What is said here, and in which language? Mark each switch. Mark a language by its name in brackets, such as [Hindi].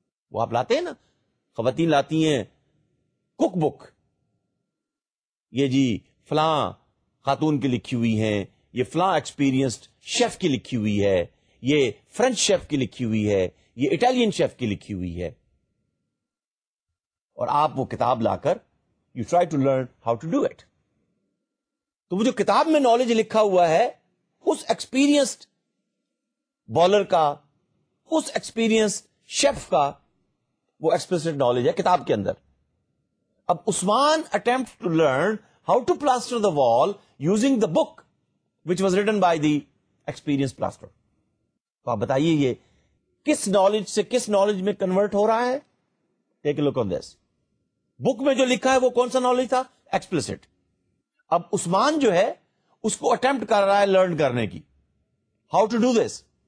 [Urdu] وہ آپ لاتے ہیں نا, خواتین لاتی ہیں کک بک, یہ جی فلاں خاتون کی لکھی ہوئی ہیں, یہ فلاں ایکسپیرینسڈ شیف کی لکھی ہوئی ہے, یہ فرینچ شیف کی لکھی ہوئی ہے, یہ اٹالین شیف کی لکھی ہوئی ہے, اور آپ وہ کتاب لا کر [English] You try to learn how to do it. [Urdu] تو وہ جو کتاب میں نالج لکھا ہوا ہے, اس ایکسپیرینسڈ بالر کا, اس ایکسپیرینسڈ شیف کا وہ ایکسپلسٹ نالج ہے کتاب کے اندر. [English] اب Usman attempt to learn how to plaster the wall using the book which was written by the experience plaster. [Urdu] تو آپ بتائیے یہ کس نالج سے کس نالج میں کنورٹ ہو رہا ہے؟ [English] Take a look on this. [Urdu] بک میں جو لکھا ہے وہ کون سا نالج تھا؟ ایکسپلسٹ. اب عثمان جو ہے اس کو اٹمپٹ کر رہا ہے لرن کرنے کی, [English] How to do this.